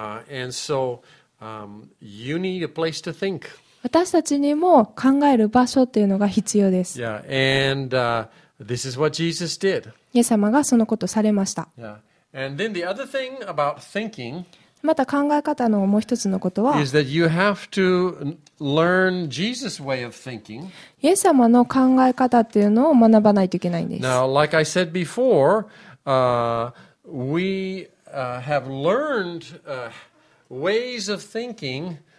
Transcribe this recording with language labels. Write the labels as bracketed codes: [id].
[en] And so, you need a place to think. [ja] 私たちにも考える場所っていうのが必要です。 Yeah. [en] And, this is what Jesus did. [ja] イエス様がそのことをされました。 Yeah. [en] And then the other thing about thinking, [ja] また考え方のもう一つのことは、 [en] is that you have to learn Jesus' way of thinking. [ja] イエス様の考え方っていうのを学ばないといけないんです。 [en] Now, like I said before, we have learned ways of thinking.